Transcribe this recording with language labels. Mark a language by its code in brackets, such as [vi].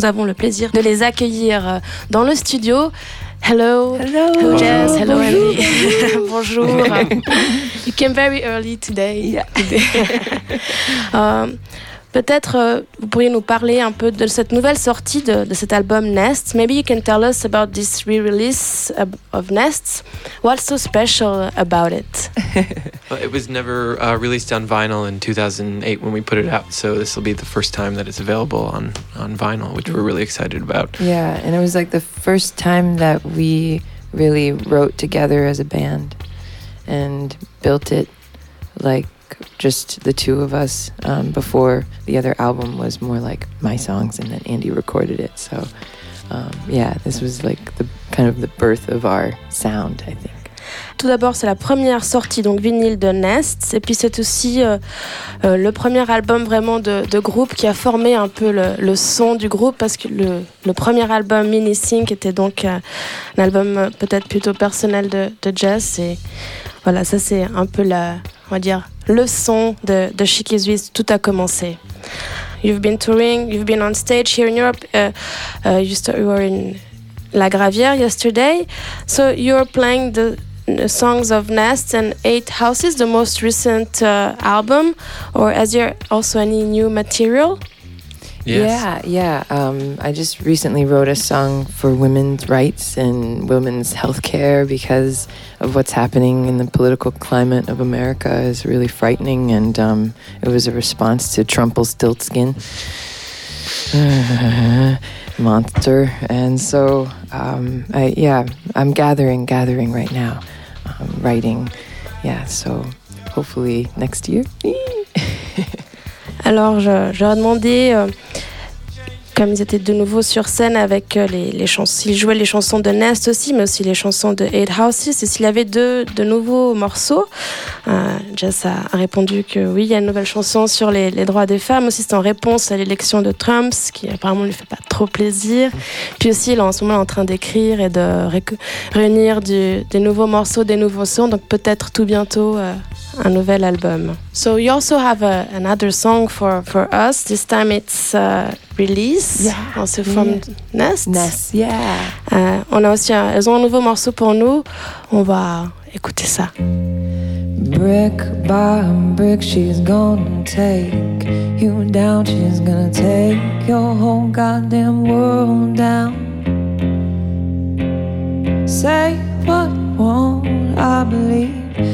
[fr] Nous avons le plaisir de les accueillir dans le studio. [en] Hello. Hello. Hello, Jess. Hello, [fr] bonjour. [en] Ellie. Bonjour. You came very early today. Yeah. [fr] Peut-être vous pourriez nous parler un peu de cette nouvelle sortie de cet album Nest. [en] Maybe you can tell us about this re-release of Nest. What's so special about it? Well, it was never released on vinyl in 2008 when we put it out, so this will be the first time that it's available on vinyl, which we're really excited about. Yeah, and it was like the first time that we really wrote together as a band and built it like just the two of us before the other album was more like my songs and then Andy recorded it. So yeah, this was like the kind of the birth of our sound, I think. [fr] Tout d'abord, c'est la première sortie donc vinyle de Nest, et puis c'est aussi le premier album vraiment de groupe qui a formé un peu le son du groupe, parce que le premier album Mini Sync était donc un album peut-être plutôt personnel de Jess, et voilà, ça c'est un peu la, on va dire, le son de She Keeps Bees, tout a commencé. [en] You've been touring, you've been on stage here in Europe. You were in La Gravière yesterday. So you're playing the songs of Nest and Eight Houses, the most recent album. Or is there also any new material? Yes. Yeah, yeah. I just recently wrote a song for women's rights and women's healthcare because of what's happening in the political climate of America is really frightening, and it was a response to Trumple's stilt skin monster. And so, I'm gathering right now, writing. Yeah, so hopefully next year. [fr] Alors, je leur ai demandé, comme ils étaient de nouveau sur scène avec les chansons, ils jouaient les chansons de Nest aussi, mais aussi les chansons de Eight Houses, et s'il y avait de nouveaux morceaux. Jess a répondu que oui, il y a une nouvelle chanson sur les droits des femmes, aussi c'est en réponse à l'élection de Trump, ce qui apparemment ne lui fait pas trop plaisir. Puis aussi, il est en ce moment en train d'écrire et de réunir des nouveaux morceaux, des nouveaux sons, donc peut-être tout bientôt... un nouvel album. [en] So you also have another song for us. This time it's Release, yeah. Also from Nest. Yeah. [fr] On a aussi elles ont un nouveau morceau pour nous. On va écouter ça. [en] Brick by brick, she's gonna take you down. She's gonna take your whole goddamn world down. Say what won't I believe?